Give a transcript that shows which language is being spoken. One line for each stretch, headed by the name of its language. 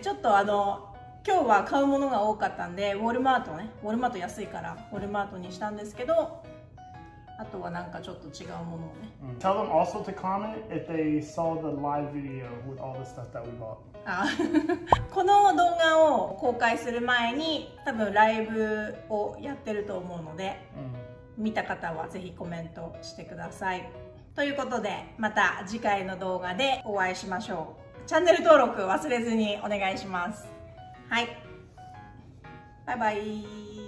Japanese: ちょっと今日は買うものが多かったんで、ウォルマートね。ウォルマート安いから、ウォルマートにしたんですけど、あとはなんかちょっと違うものをね。
English: Tell them also to comment if they saw the live video with all the stuff that we bought.
Japanese: この動画を公開する前に多分ライブをやってると思うので、見た方はぜひコメントしてください。ということで、また次回の動画でお会いしましょう。チャンネル登録忘れずにお願いします。はい。バイバイ。